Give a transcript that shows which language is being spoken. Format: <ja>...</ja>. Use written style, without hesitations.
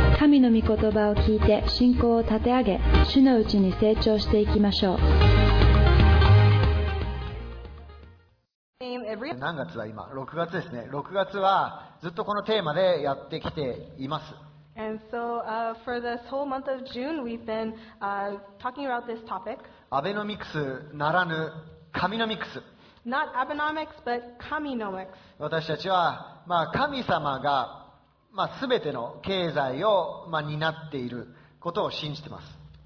<ja>神の御言葉を聞いて信仰を立て上げ、主のうちに成長していきましょう。何月だ今、6月ですね。 6月はずっとこのテーマでやってきています。</ja> <en>And so, for this whole month of June, we've been, talking about this topic.</en> <ja>アベノミクスならぬ神のミクス。</ja> <en>Not Abenomics, but Kaminomics.</en> <ja>私たちは、まあ、神様が、まあ、全ての経済を、まあ、担っていることを信じています。</ja>